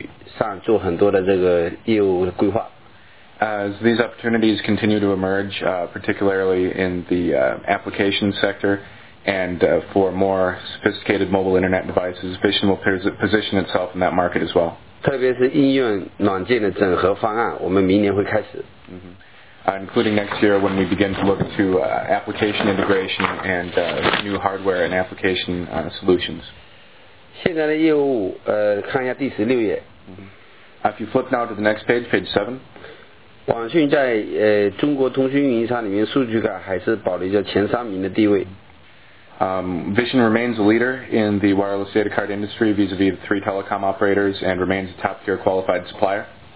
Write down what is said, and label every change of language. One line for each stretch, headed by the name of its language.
Chinese: 随着这样子的移动通讯，这个移动智能终端的这样子的发展趋势，微软也会在移动智能终端和移动应用程序上做很多的这个业务规划。
English: As these opportunities continue to emerge, particularly in the application sector, and for more sophisticated mobile internet devices, Vision will position itself in that market as well.
Chinese: 特别是应用软件的整合方案，我们明年会开始。
English: Including next year when we begin to look to application integration and new hardware and application solutions.
Chinese: 现在的业务, 看一下第16页。
English: If you flip now to the next page, page 7.
Chinese: 网讯在, 中国通讯运营商里面数据卡还是保留着前三名的地位。
English: Vision remains a leader in the wireless data card industry vis-a-vis the three telecom operators and remains a top-tier qualified supplier.